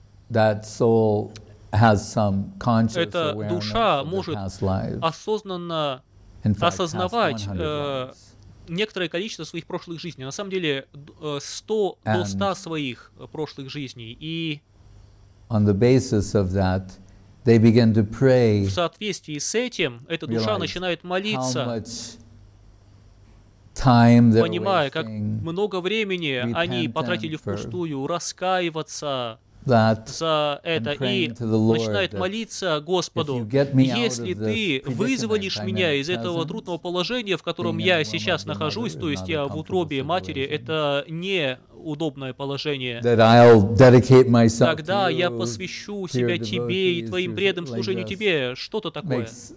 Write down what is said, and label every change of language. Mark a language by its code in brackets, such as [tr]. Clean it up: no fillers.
[en] that soul has some conscious [ru] эта душа может осознанно осознавать некоторое количество своих прошлых жизней. На самом деле, 100 до 100 своих прошлых жизней. И [en] on the basis of that, they begin to pray, [ru] в соответствии с этим, эта душа начинает молиться, понимая, как много времени они потратили впустую, раскаиваться за это и начинает молиться Господу, если ты вызволишь меня из этого трудного положения, в котором я сейчас нахожусь, то есть я в утробе матери, это не удобное положение, тогда я посвящу себя тебе и твоим преданным служению тебе, что-то такое.